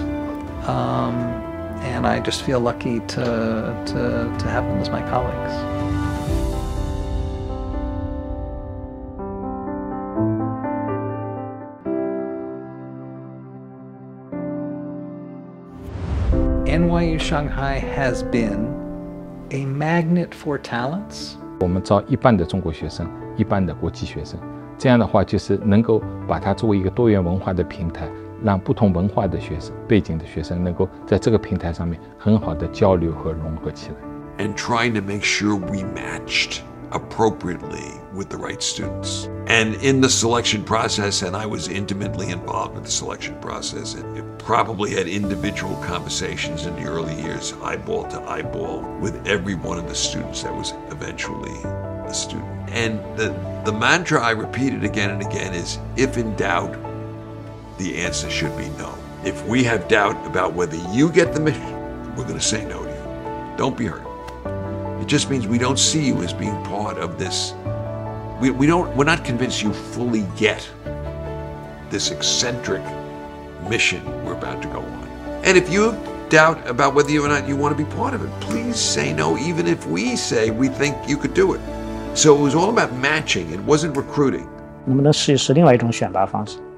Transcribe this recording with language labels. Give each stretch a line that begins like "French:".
English: And I just feel lucky to have them as my colleagues. NYU Shanghai has been a magnet for talents.
Chinese: 我们招一半的中国学生，一半的国际学生，这样的话就是能够把它作为一个多元文化的平台。让不同文化的学生、背景的学生能够在这个平台上面很好的交流和融合起来。
English: And trying to make sure we matched appropriately with the right students. And in the selection process, and I was intimately involved with the selection process, it probably had individual conversations in the early years, eyeball to eyeball, with every one of the students that was eventually a student. And the mantra I repeated again and again is, if in doubt, the answer should be no. If we have doubt about whether you get the mission, we're going to say no to you. Don't be hurt. It just means we don't see you as being part of this. We're not convinced you fully get this eccentric mission we're about to go on. And if you have doubt about whether or not you want to be part of it, please say no, even if we say we think you could do it. So it was all about matching. It wasn't recruiting.
Chinese: 能不能试一试另外一种选拔方式？